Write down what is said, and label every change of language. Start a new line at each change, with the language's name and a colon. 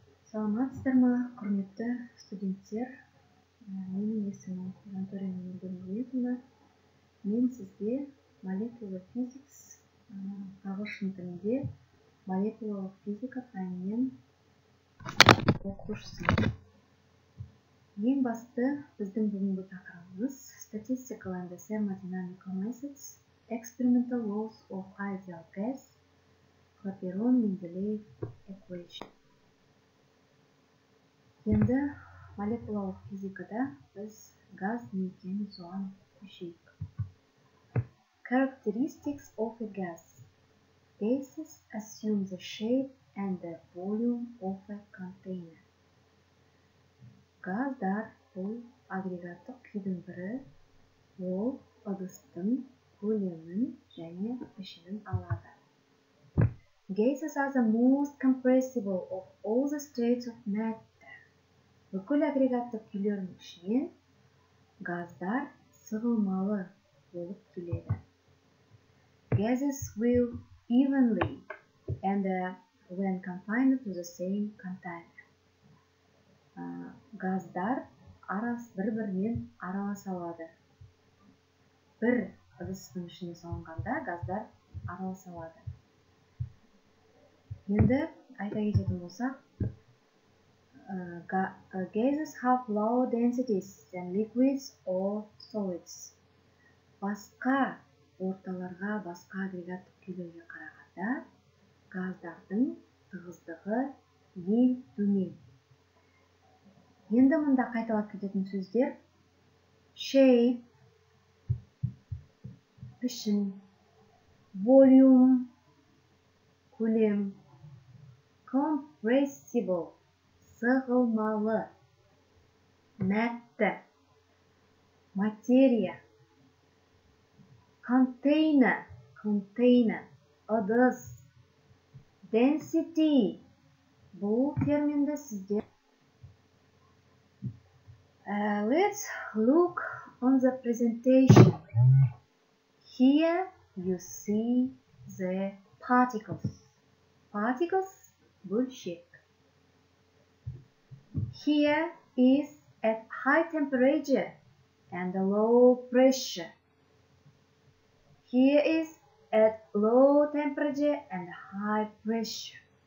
Kazakh: Саламатсыздар ма, құрметті студенттер. Менің есімім Жантөрина Нұрбергенова. Мен сізге молекулярлық физика ағылшын тілінде молекулярлық физика пәнінен оқушысымын. Ең басты біздің бүгінгі тақырыбымыз
English: statistical and thermodynamical methods, experimental laws of ideal gas, Клаперон-Менделеев equation.
Kazakh: Енді молекулалық физикада біз газ не екенін соған көшейік.
English: Characteristics of a gas. Gases assume the shape and the volume of a container.
Kazakh: Газдар бұл агрегаттық күйдің бірі, ол ыдыстың көлемін және пішінін алады.
English: Gases are the most compressible of all the states of matter.
Kazakh: Бүкіл агрегаттық күйлердің ішіне газдар сығылмалы болып келеді.
English: Gases will evenly and when confined to the same container.
Kazakh: Газдар бір-бірмен араласалады. Бір ыдыстың ішіне салынғанда газдар араласалады. Енді айта кететін болсақ,
English: gases have lower densities than liquids or solids.
Kazakh: Басқа орталарға, басқа агрегаттық күйлерге қарағанда, газдардың тығыздығы ең төмен. Енді мында қайталап кететін сөздер, shape, пішін, volume, көлем, compressible, сығылмалы, мәтті, материя, контейнер, ыдыс, density. Бұл терминді сіздер.
English: Let's look on the presentation. Here you see the particles. Particles бөлшек. Here is at high temperature and low pressure. Here is at low temperature and high pressure.